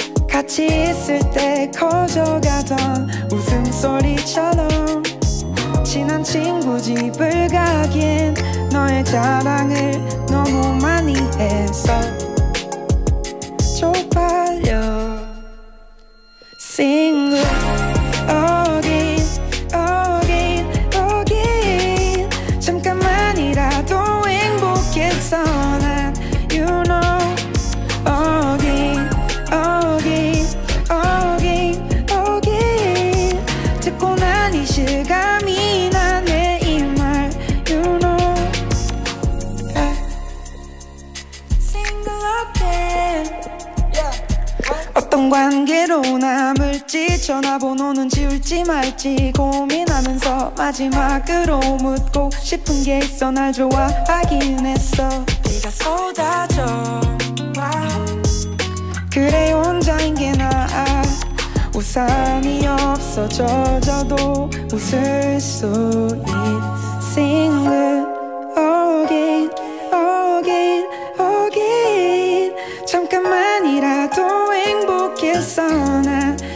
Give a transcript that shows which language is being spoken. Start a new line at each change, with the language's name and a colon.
Korean: 같이 있을 때 커져가던 웃음소리처럼 친한 친구 집을 가기엔 너의 자랑을 너무 많이 해서 쪽팔려.
English: Single again, again, again.
Korean: 잠깐만이라도 행복했어 난.
English: You know again, again, again, again.
Korean: 듣고 난 이 실감이 나네 이 말.
English: You know single again.
Korean: 어떤 관계로 남을지 전화번호는 지울지 말지 고민하면서 마지막으로 묻고 싶은 게 있어. 날 좋아하긴 했어. 비가 쏟아져 와. 그래 혼자인 게 나아. 우산이 없어 젖어도 웃을 수 있어.
English: Single again, again, again.
Korean: 잠깐만이라도 행복했어 난.